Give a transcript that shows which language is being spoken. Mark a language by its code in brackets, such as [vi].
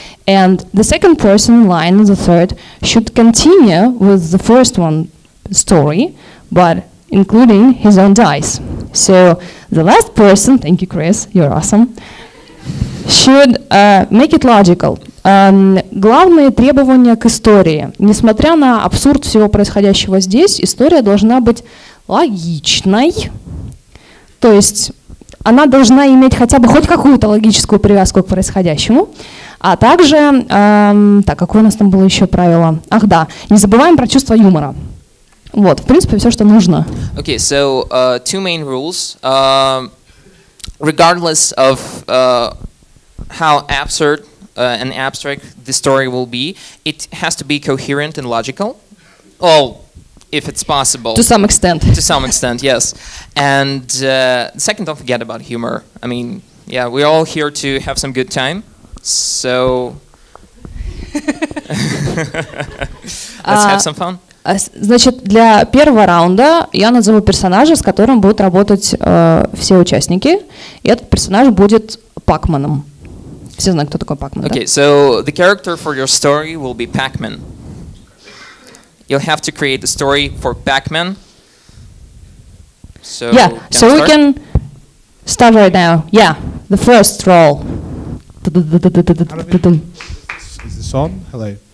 [en] And the second person in line, the third, should continue with the first one story, but including his own dice. So the last person, thank you, Chris, you're awesome, should make it logical. [ru] Главные требования к истории. Несмотря на абсурд всего происходящего здесь, история должна быть логичной. То есть она должна иметь хотя бы хоть какую-то логическую привязку к происходящему. А также, так, какое у нас там было еще правило? Ах да, не забываем про чувство юмора. Вот, в принципе, все, что нужно. [en] Okay, so two main rules. Regardless of how absurd and abstract the story will be, it has to be coherent and logical. Well, if it's possible. To some extent. To some extent, yes. And second, don't forget about humor. I mean, yeah, we're all here to have some good time. So, let's have some fun. [ru] Значит, для первого раунда я назову персонажа, с которым будут работать все участники. И этот персонаж будет Пакманом. Все знают, кто такой Пакман. [en] Okay, so the character for your story will be Pac-Man. You'll have to create the story for Pac-Man. So, yeah, so we can start right now. Yeah, the first role. Is this on? Hello.